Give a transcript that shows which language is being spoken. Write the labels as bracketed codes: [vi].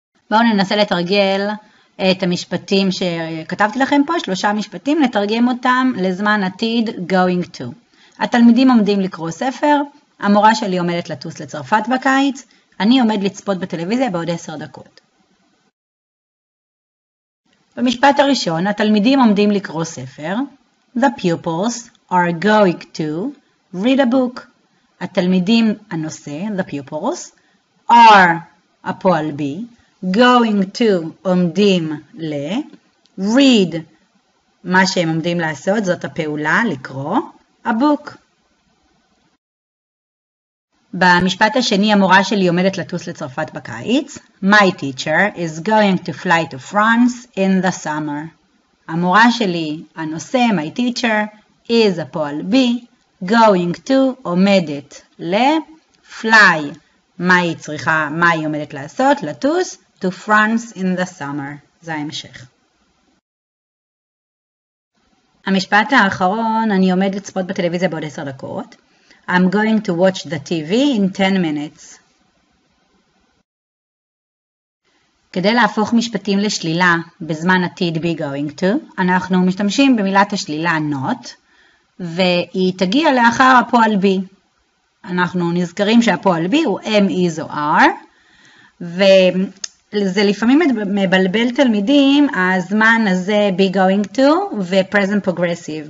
[he] בואו ננסה לתרגל את המשפטים שכתבתי לכם פה, שלושה משפטים, לתרגם אותם לזמן עתיד, going to. התלמידים עומדים לקרוא ספר, המורה שלי עומדת לטוס לצרפת בקיץ, אני עומד לצפות בטלוויזיה בעוד 10 דקות. במשפט הראשון, התלמידים עומדים לקרוא ספר. [en] The pupils are going to read a book. [he] התלמידים, הנושא, [en] the pupils, [he] are, הפועל בי, going to, עומדים ל, read, מה שהם עומדים לעשות, זאת הפעולה, לקרוא, [en] a book. [he] במשפט השני, המורה שלי עומדת לטוס לצרפת בקיץ. [en] My teacher is going to fly to France in the summer. [he] המורה שלי, הנושא, [en] my teacher, [he] is a פועל B, going to, עומדת ל, fly, מה היא צריכה, מה היא עומדת לעשות, לטוס, [en] to France in the summer. [he] זה ההמשך. המשפט האחרון, אני עומד לצפות בטלוויזיה בעוד 10 דקות. [en] I'm going to watch the TV in 10 minutes. [he] כדי להפוך משפטים לשלילה בזמן עתיד be going to, אנחנו משתמשים במילת השלילה not, והיא תגיע לאחר הפועל בי. אנחנו נזכרים שהפועל בי הוא am, is או are, וזה לפעמים מבלבל תלמידים, הזמן הזה be going to ו-present progressive.